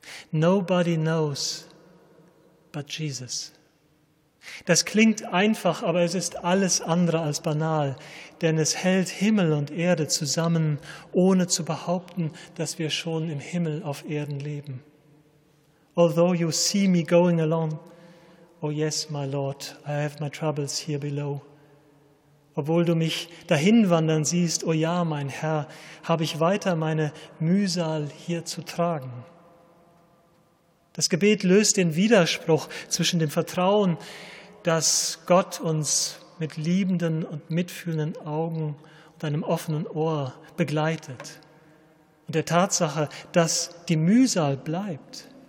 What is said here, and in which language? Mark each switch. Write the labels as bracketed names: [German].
[English] Nobody knows but Jesus. [German] Das klingt einfach, aber es ist alles andere als banal, denn es hält Himmel und Erde zusammen, ohne zu behaupten, dass wir schon im Himmel auf Erden leben. [English] Although you see me going along, oh yes, my Lord, I have my troubles here below. [German] Obwohl du mich dahin wandern siehst, oh ja, mein Herr, habe ich weiter meine Mühsal hier zu tragen. Das Gebet löst den Widerspruch zwischen dem Vertrauen, dass Gott uns mit liebenden und mitfühlenden Augen und einem offenen Ohr begleitet, und der Tatsache, dass die Mühsal bleibt.